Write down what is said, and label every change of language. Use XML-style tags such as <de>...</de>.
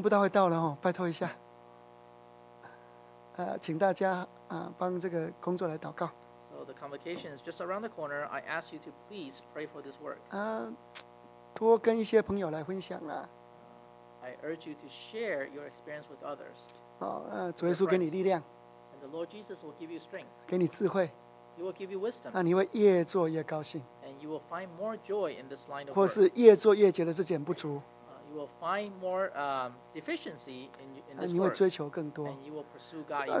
<zh>不到会到了、哦、拜托一下、请大家、帮这个工作来祷告</zh> <en>So the convocation is just around the corner. I ask you to please pray for this work.</en> <zh>多跟一些朋友来分享啦。</zh> <en>I urge you to share your experience with others.</en> <zh>主耶稣给你力量。</zh> <en>And the Lord Jesus will give you strength.</en> <zh>给你智慧。</zh> <en>He will give you wisdom.</en> <zh>你会越做越高兴。</zh> <en>And you will find more joy in this line of work.</en> <zh>或是越做越觉得自己很不足。</zh> <en>You will find more deficiency in this work.</en> <zh>你会追求更多。</zh> <en>And you will pursue God even more.</en>